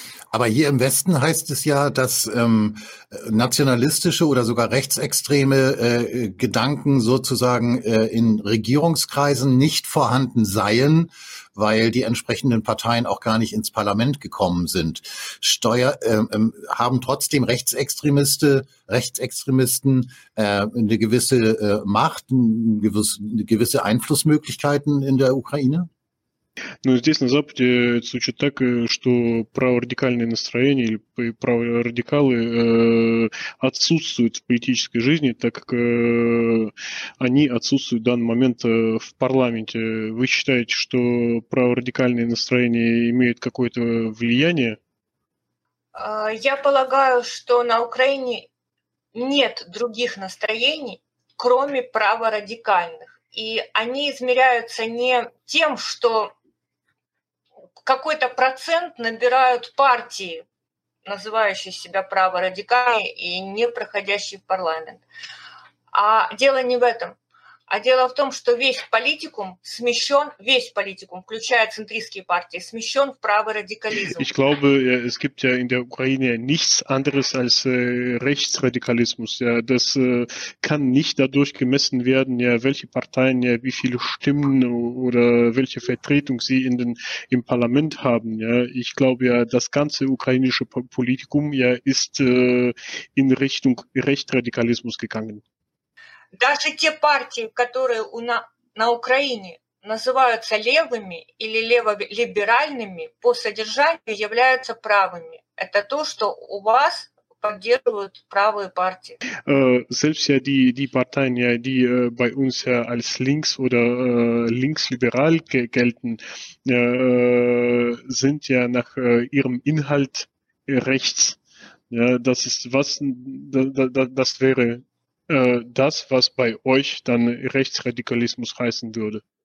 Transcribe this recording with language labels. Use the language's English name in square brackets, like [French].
[German] Aber hier im Westen heißt es ja, dass nationalistische oder sogar rechtsextreme Gedanken sozusagen in Regierungskreisen nicht vorhanden seien, weil die entsprechenden Parteien auch gar nicht ins Parlament gekommen sind. Haben trotzdem Rechtsextremisten eine gewisse Macht, eine gewisse Einflussmöglichkeiten in der Ukraine? [Russian] Ну, здесь на Западе звучит так, что праворадикальные настроения или праворадикалы отсутствуют в политической жизни, так как они отсутствуют в данный момент в парламенте. Вы считаете, что праворадикальные настроения имеют какое-то влияние? Я полагаю, что на Украине нет других настроений, кроме праворадикальных. И они измеряются не тем, что какой-то процент набирают партии называющий себя праворадикальный и не проходящий в парламент. А дело не в этом. А дело в том, что весь политикум смещен, весь политикум, включая центристские партии, смещен в правый радикализм. [German] Ich glaube, es gibt ja in der Ukraine nichts anderes als Rechtsradikalismus. Ja, das kann nicht dadurch gemessen werden, ja, welche Parteien, ja, wie viele Stimmen oder welche Vertretung sie in den im Parlament haben. Ja, ich glaube ja, das ganze ukrainische Politikum, ja, ist in Richtung Rechtsradikalismus gegangen. [Russian] Даже те партии, которые на Украине называются левыми или леволиберальными, по содержанию являются правыми. Это то, что у вас поддерживают правые партии. [German] Selbst ja die Parteien, ja, die bei uns ja als links oder linksliberal gelten, sind ja nach ihrem Inhalt rechts. Ja, das ist was, das wäre das, was bei euch dann Rechtsradikalismus heißen würde.